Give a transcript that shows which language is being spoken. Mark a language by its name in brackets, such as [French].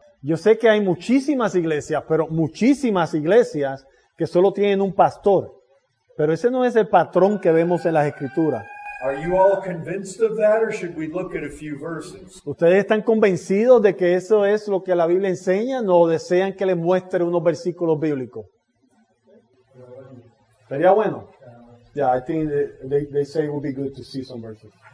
[Spanish] Yo sé que hay muchísimas iglesias, pero muchísimas iglesias que solo tienen un pastor. Pero ese no es el patrón que vemos en las Escrituras. [English] Are you all convinced of that, or should we look at a few verses? [Spanish] ¿Ustedes están convencidos de que eso es lo que la Biblia enseña, o desean que les muestre unos versículos bíblicos? Sería bueno. [English] Yeah, I think they say it would be good to see some verses.